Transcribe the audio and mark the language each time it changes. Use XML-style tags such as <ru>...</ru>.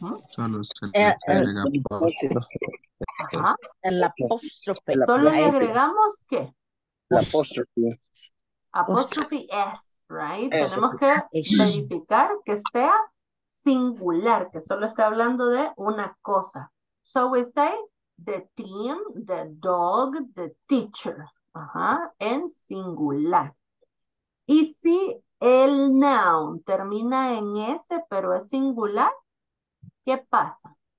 <es>Solo se le agrega la apóstrofe. ¿Solo le agregamos qué? La apóstrofe. Apóstrofe S, right? Tenemos que verificar que sea singular, que solo está hablando de una cosa.</es> <en>So we say the team, the dog, the teacher.</en> <es>Ajá, en singular. Y si el noun termina en S, pero es singular, ¿qué pasa?</es>